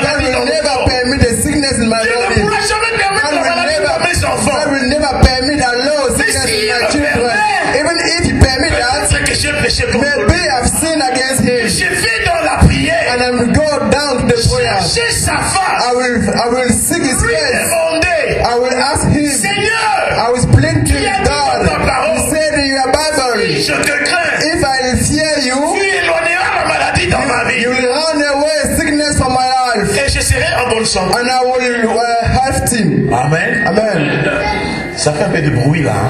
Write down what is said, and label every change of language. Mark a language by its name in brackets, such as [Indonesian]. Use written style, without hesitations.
[English] God will never permit the sickness in my body. [French] Dieu ne pourra jamais permettre la maladie dans mes enfants. [English] God will never permit that low sickness [French] si [English] in my children. [French] Permet, [English] even if he permit that, maybe I've sinned against him. [French] Je vais dans la prière. [English] And I'm go down to the prayer. [French] Chercher sa face. [English] I will seek his face. I will ask him. [French] Seigneur, [English] I will plead to God. You said in your Bible, [French] si je te crains, [English] if I fear you, [French] tu éloigneras la maladie dans ma vie. [English] You will run away sickness from my life. [French] Et je serai en bonne santé. [English] And I will help him. Amen. Amen. [French] Ça fait un peu de bruit là.